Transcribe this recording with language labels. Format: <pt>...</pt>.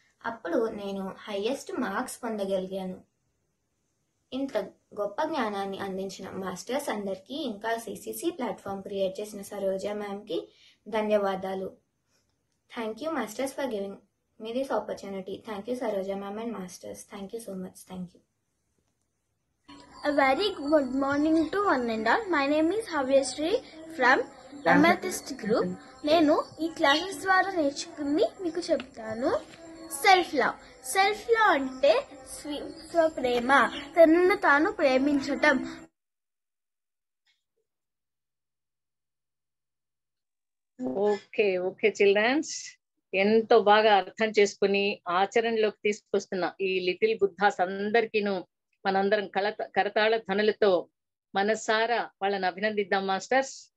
<te>అప్పుడు నేను highest marks పొందగలిగాను. ఇంత గొప్ప జ్ఞానాన్ని అందించిన మాస్టర్స్ అందరికీ ఇంకా సిసిసి ప్లాట్ఫామ్ క్రియేట్ చేసిన సరోజ మ్యామ్కి ధన్యవాదాలు.</te> <en>Thank you masters for giving me this opportunity. Thank you Saroja ma'am and masters, thank you so much. Thank you. A very good morning to one and all. My name is Havyashri from Amethyst Group.</en> <te>నేను ఈ classes ద్వారా నేర్చుకుని మీకు చెప్తాను. Self love. Self love అంటే స్వ ప్రేమ, తనను తాను ప్రేమించటం. ఓకే ఓకే చిల్డ్రన్స్, ఎంతో బాగా అర్థం చేసుకుని ఆచరణలోకి తీసుకొస్తున్న ఈ లిటిల్ బుద్ధాస్ అందరికీను మనందరం కరతాళ ధనులతో మనసారా వాళ్ళని అభినందిద్దాం మాస్టర్స్.</te>